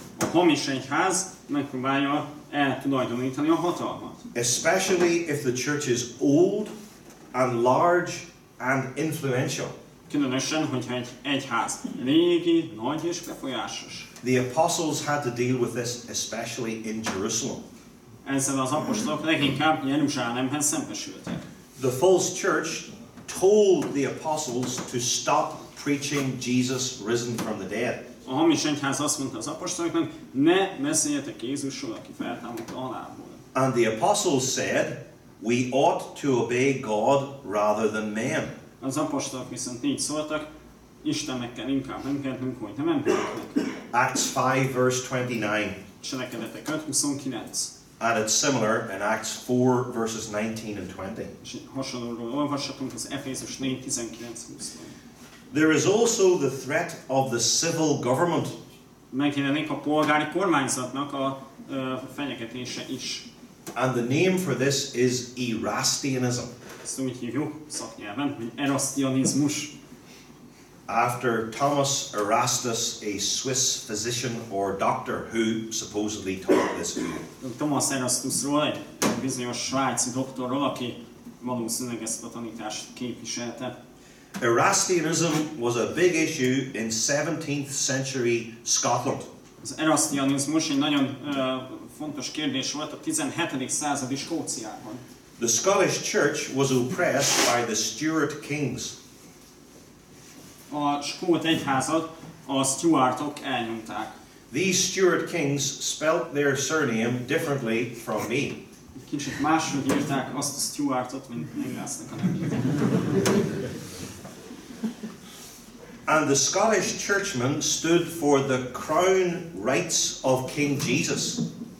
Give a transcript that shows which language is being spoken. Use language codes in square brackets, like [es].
[hu] A hamis egyház megpróbálja eltulajdonítani a hatalmat. [en] Especially if the church is old and large and influential. [hu] Különösen, hogyha egy egyház régi, nagy és befolyásos. [en] The apostles had to deal with this especially in Jerusalem. [hu] Ezzel az apostolok leginkább Jeruzsálemben szembesültek. [en] The false church told the apostles to stop preaching Jesus risen from the dead. [hu] A hamis egyház azt mondta az apostoloknak, ne beszéljetek Jézusról, aki feltámadt a halálból. [en] And the apostles said, we ought to obey God rather than men. [hu] Az apostolok viszont így szóltak, Istennek kell inkább engednünk, hogy nem embereknek. [en] Acts 5 verse 29. [hu] Cselekedetek 5:29. [en] And it's similar in Acts 4 verses 19 and 20. [hu] És hasonlóról olvashatunk az Efézus 4:19-20. [en] There is also the threat of the civil government. [hu] Megjelenik a polgári kormányzatnak a fenyegetése is. [en] And the name for this is Erastianism. [hu] Ezt úgy hívjuk szaknyelven, hogy Erastianizmus. [en] After Thomas Erastus, a Swiss physician or doctor who supposedly taught this view. [hu] Thomas Erastusról, egy bizonyos svájci doktorról, aki valószínűleg ezt a tanítást képviselte. [en] Erastianism was a big issue in 17th century Scotland. [hu] Az Erastianizmus egy nagyon fontos kérdés volt a 17. századi Skóciában. [en] The Scottish Church was oppressed by the Stuart kings. [hu] A skót egyházat a Stuartok elnyomták. [en] These Stuart kings spelt their surname differently from me. [hu] Kicsit máshogy írták azt a Stuartot, mint Englásznak a nevét. [en] And the Scottish churchmen stood for the crown rights of King Jesus.